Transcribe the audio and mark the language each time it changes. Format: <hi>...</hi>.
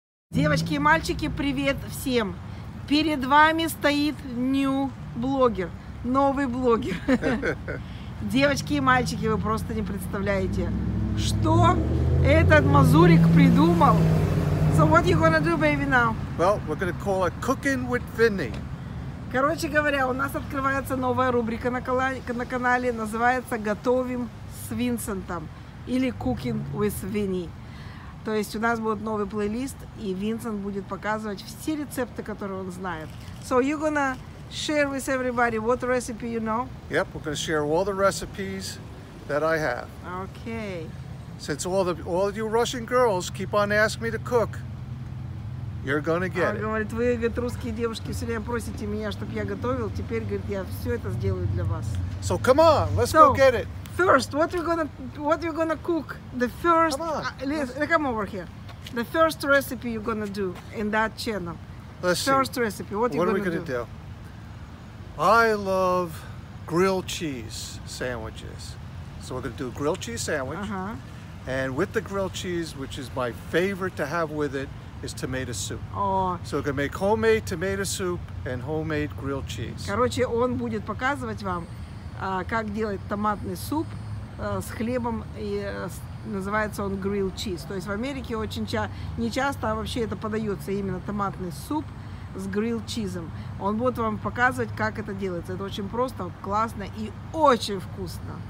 <ru>Девочки и мальчики, привет всем! Перед вами стоит нью-блогер, новый блогер. Девочки и мальчики, вы просто не представляете, что этот мазурик придумал.</ru> <en>So what you gonna do, baby, now? Well, we're gonna call it cooking with Vinny.</en> <ru>Короче говоря, у нас открывается новая рубрика на канале, называется «Готовим с Винсентом» или «Cooking with Vinny». То есть у нас будет новый плейлист, и Винсент будет показывать все рецепты, которые он знает.</ru> <en>So you're gonna share with everybody what recipe you know? Yep, we're gonna share all the recipes that I have. Okay. Since all of you Russian girls keep on asking me to cook, you're gonna get it.</en> <ru>Говорит, вы, говорит, русские девушки все время просите меня, чтобы я готовил. Теперь, говорит, я все это сделаю для вас.</ru> <en>So come on, let's go get it. First, what you gonna cook? The first, come over here. The first recipe you're gonna do in that channel. Let's first see. Recipe. What are we gonna do? I love grilled cheese sandwiches. So we're gonna do a grilled cheese sandwich. Uh-huh. And with the grilled cheese, which is my favorite to have with it, is tomato soup. Oh. So we're gonna make homemade tomato soup and homemade grilled cheese.</en> <ru>Короче, он будет показывать вам. Как делать томатный суп с хлебом, и называется он grilled cheese. То есть в Америке очень не часто, а вообще это подается именно томатный суп с grilled cheese. Он будет вам показывать, как это делается. Это очень просто, классно и очень вкусно.</ru>